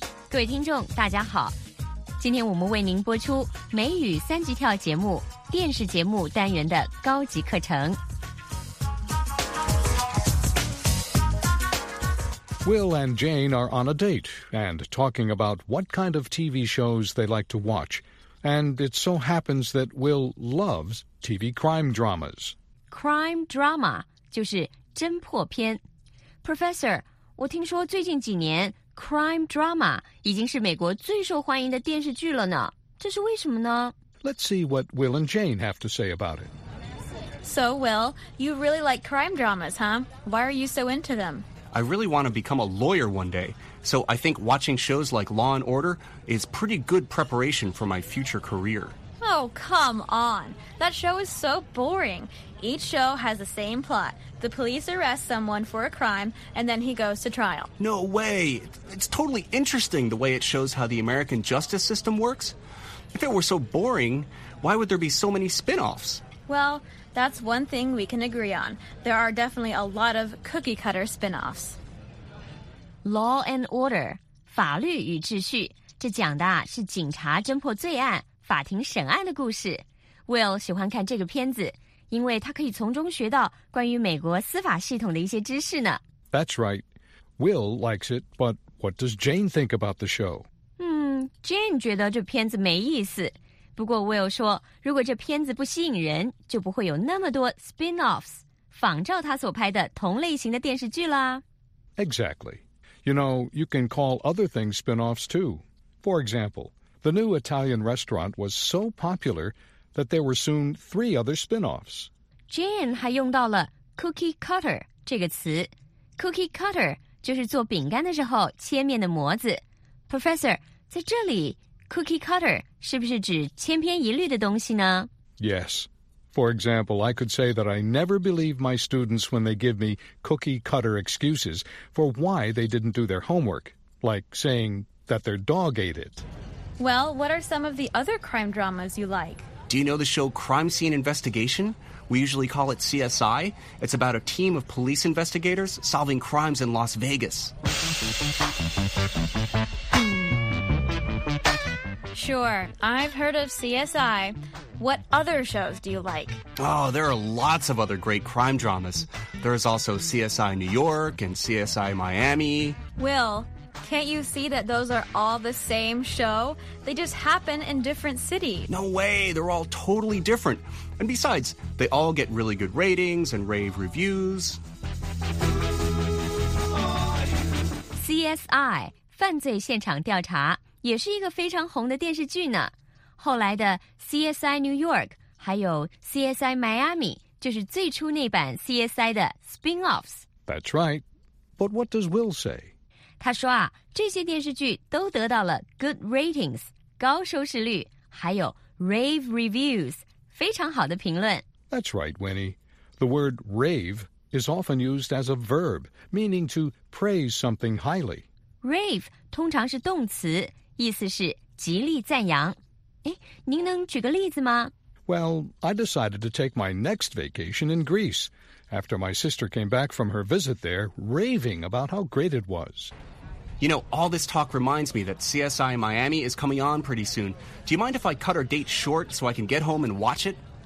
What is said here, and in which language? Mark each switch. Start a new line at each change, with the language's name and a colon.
Chinese: 各位听众大家好，今天我们为您播出梅雨三级跳节目电视节目单元的高级课程。
English: Will and Jane are on a date and talking about what kind of TV shows they like to watch. And it so happens that Will loves TV crime dramas.
Chinese: Crime drama 就是侦破片。Professor, 我听说最近几年 crime drama 已经是美国最受欢迎的电视剧了呢。这是为什么呢？
English: Let's see what Will and Jane have to say about it. So, Will, you really like crime dramas, huh? Why are you so into them? I really want to become a lawyer one day, so I think watching shows like Law and Order is pretty good preparation for my future career. Oh, come on. That show is so boring. Each show has the same plot. The police arrest someone for a crime, and then he goes to trial. No way. It's totally interesting the way it shows how the American justice system works. If it were so boring, why would there be so many spinoffs? Well, that's one thing we can agree on. There are definitely a lot of cookie-cutter spin-offs.
Chinese: Law and Order, 法律与秩序，这讲的是警察侦破罪案、法庭审案的故事。 Will 喜欢看这个片子，因为他可以从中学到关于美国司法系统的一些知识呢。
English: That's right. Will likes it, but what does Jane think about the show?
Chinese: Jane 觉得这片子没意思。不过 Will 说，如果这片子不吸引人，就不会有那么多 spin-offs, 仿照他所拍的同类型的电视剧啦。
English: Exactly. You know, you can call other things spin-offs too. For example, the new Italian restaurant was so popular that there were soon three other spin-offs.
Chinese: Jane 还用到了 cookie cutter 这个词。 Cookie cutter 就是做饼干的时候切面的模子。 Professor, 在这里Cookie cutter 是不是指千篇一律的东西呢
English: ？Yes. For example, I could say that I never believe my students when they give me cookie cutter excuses for why they didn't do their homework, like saying that their dog ate it. Well, what are some of the other crime dramas you like? Do you know the show Crime Scene Investigation? We usually call it CSI. It's about a team of police investigators solving crimes in Las Vegas. Sure, I've heard of CSI. What other shows do you like? Oh, there are lots of other great crime dramas. There is also CSI New York and CSI Miami. Will, can't you see that those are all the same show? They just happen in different cities. No way, they're all totally different. And besides, they all get really good ratings and rave reviews.
Chinese: CSI, 犯罪现场调查。也是一个非常红的电视剧呢。后来的 CSI New York 还有 CSI Miami 就是最初那版 CSI 的 spin-offs。
English: That's right. But what does Will say?
Chinese: 他说啊，这些电视剧都得到了 good ratings, 高收视率，还有 rave reviews, 非常好的评论。
English: That's right, Winnie. The word rave is often used as a verb, meaning to praise something highly.
Chinese: Rave 通常是动词，意思是极力赞扬。哎，您能举个例子吗
English: ？Well, I decided to take my next vacation in Greece. After my sister came back from her visit there, raving about how great it was. You know, all this talk reminds me that CSI Miami is coming on pretty soon. Do you mind if I cut our date short so I can get home and watch it?